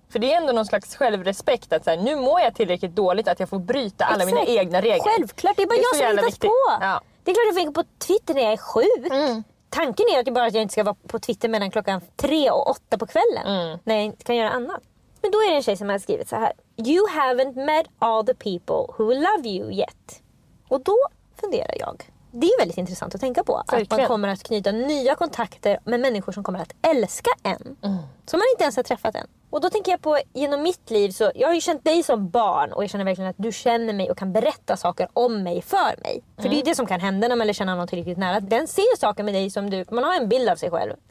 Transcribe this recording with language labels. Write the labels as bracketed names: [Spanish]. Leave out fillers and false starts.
[Swedish] För det är ändå någon slags självrespekt att så här, nu mår jag tillräckligt dåligt att jag får bryta alla mina egna regler. Självklart, det är bara det är jag som hittat på. Ja. Det är klart att jag får på Twitter när jag är sjuk. Mm. Tanken är att jag bara att jag inte ska vara på Twitter mellan klockan 3 och 8 på kvällen. Mm. När jag inte kan göra annat. Men då är det en tjej som har skrivit så här. [English] You haven't met all the people who love you yet. [Swedish] Och då funderar jag. Det är väldigt intressant att tänka på. Särskilt. Att man kommer att knyta nya kontakter med människor som kommer att älska en. Mm. Som man inte ens har träffat än. Och då tänker jag på, genom mitt liv så, jag har ju känt dig som barn och jag känner verkligen att du känner mig och kan berätta saker om mig för mig. För det är ju det som kan hända när man lär känna någon tillräckligt nära. Den ser saker med dig som du, man har en bild av sig själv.